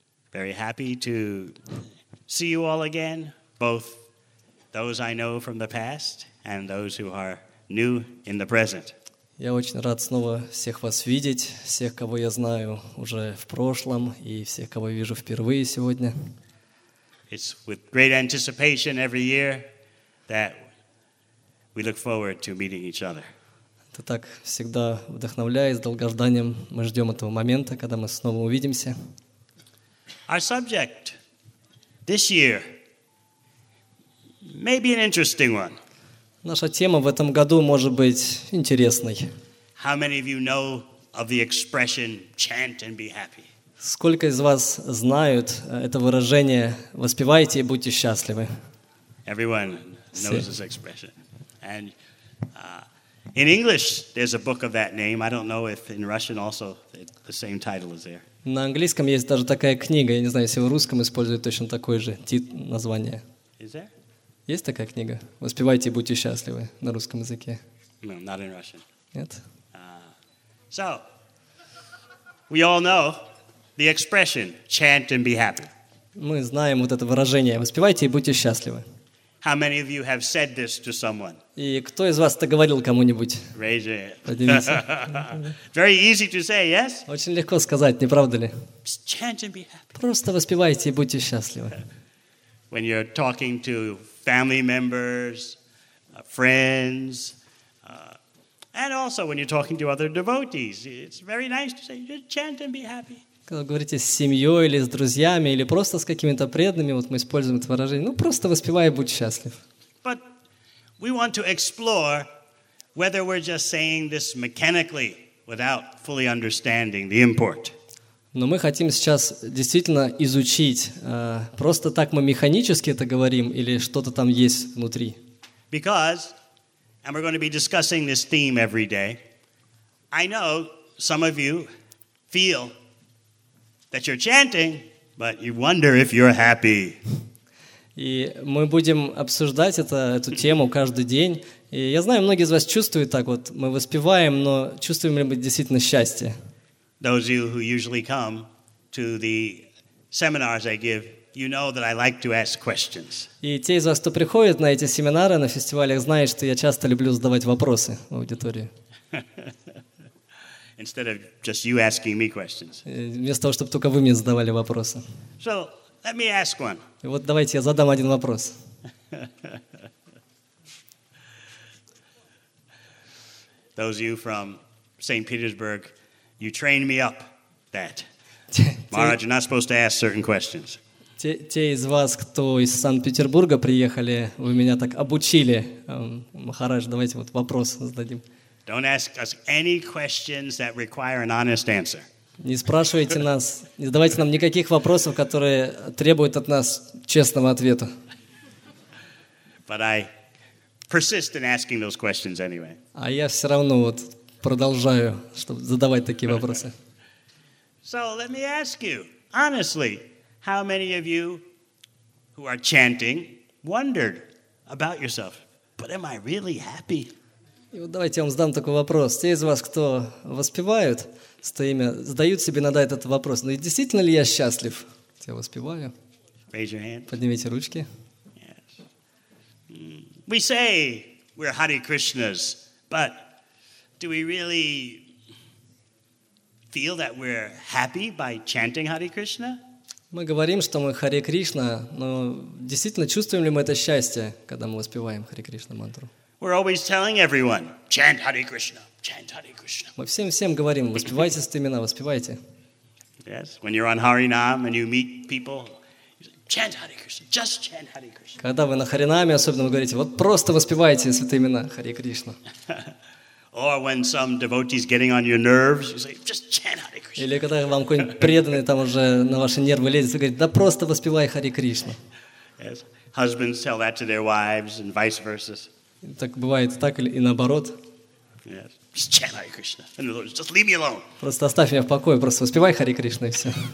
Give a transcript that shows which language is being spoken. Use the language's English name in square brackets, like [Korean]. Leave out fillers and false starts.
[English] Very happy to see you all again, both those I know from the past and those who are new in the present. [Russian] Я очень рад снова всех вас видеть, всех, кого я знаю уже в прошлом, и всех, кого вижу впервые сегодня. [English] It's with great anticipation every year that we look forward to meeting each other. [Russian] Это так всегда вдохновляет, с долгожданием мы ждем этого момента, когда мы снова увидимся. [English] Our subject this year may be an interesting one. [Russian] Наша тема в этом году может быть интересной. [English] How many of you know of the expression "chant and be happy"? [Russian] Сколько из вас знают это выражение «воспевайте и будьте счастливы»? [English] Everyone knows this expression. And in English there's a book of that name. I don't know if in Russian also the same title is there. [Russian] На английском есть даже такая книга. Я не знаю, если в русском используют точно такое же название. [English] Is there? [Russian] Есть такая книга? «Воспевайте и будьте счастливы» на русском языке. [English] No, not in Russian. [Russian] Нет? [English] So, we all know the expression «chant and be happy». [Russian] Мы знаем вот это выражение «воспевайте и будьте счастливы». [English] How many of you have said this to someone? [Russian] И кто из вас это говорил кому-нибудь? [English] Raise your [Russian] hand. Поднимите. [English] Very easy to say, yes? [Russian] Очень легко сказать, не правда ли? [English] Just chant and be happy. [Russian] Просто воспевайте и будьте счастливы. [English] When you're talking to family members, friends, and also when you're talking to other devotees, it's very nice to say, just chant and be happy. [Russian] Когда говорите с семьей или с друзьями, или просто с какими-то преданными, вот мы используем это выражение, ну, просто воспевай и будь счастлив. [English] But we want to explore whether we're just saying this mechanically without fully understanding the import. [Russian] Но мы хотим сейчас действительно изучить, просто так мы механически это говорим или что-то там есть внутри. [English] Because, and we're going to be discussing this theme every day, I know some of you feel that you're chanting, but you wonder if you're happy. [Russian] И мы будем обсуждать эту тему каждый день. И я знаю, многие из вас чувствуют так вот. Мы воспеваем, но чувствуем ли мы действительно счастье? [English] Those of you who usually come to the seminars I give, you know that I like to ask questions. [Russian] И те из вас, кто приходит на эти семинары, на фестивалях, знают, что я часто люблю задавать вопросы в аудитории. [English] Instead of just you asking me questions. [Russian] Вместо того, чтобы только вы мне задавали вопросы. [English] So, let me ask one. [Russian] И вот давайте я задам один вопрос. [English] Those of you from St. Petersburg, you trained me up that. Maharaj, you're not supposed to ask certain questions. [Russian] Те из вас, кто из Санкт-Петербурга приехали, вы меня так обучили. Махарадж, давайте вот вопрос зададим. [English] Don't ask us any questions that require an honest answer. [Russian] Не спрашивайте нас, не задавайте нам никаких вопросов, которые требуют от нас честного ответа. [English] But I persist in asking those questions anyway. [Russian] А я все равно вот продолжаю, чтобы задавать такие вопросы. [English] So let me ask you honestly, how many of you who are chanting wondered about yourself? But am I really happy? [Russian] И вот давайте я вам задам такой вопрос. Те из вас, кто воспевают, задают себе иногда этот вопрос. Ну и действительно ли я счастлив? Я воспеваю. [English] Raise your hand. [Russian] Поднимите ручки. [English] Yes. We say we're Hare Krishnas, but do we really feel that we're happy by chanting Hare Krishna? [Russian] Мы говорим, что мы Hare Krishna, но действительно чувствуем ли мы это счастье, когда мы воспеваем Hare Krishna мантру? [English] We're always telling everyone, chant Hare Krishna, chant Hare Krishna. [Russian] Мы всем говорим, воспевайте эти имена, воспевайте. [English] Yes, when you're on Харинам and you meet people, you say, chant Hare Krishna, just chant Hare Krishna. [Russian] Когда вы на Харинаме, особенно вы говорите, вот просто воспевайте святые имена, Hare Krishna. [English] Or when some devotee's getting on your nerves, you say, just chant Hare Krishna. [Russian] Или когда вам какой-нибудь преданный там уже на ваши нервы лезет и говорит, да просто воспевай Хари Кришна. [English] Yes. Husbands tell that to their wives and vice versa. [Russian] Так бывает так и наоборот. [English] Yes. Just chant Hare Krishna. In other words, just leave me alone. [Russian] Просто оставь меня в покое, просто воспевай Хари Кришна и все.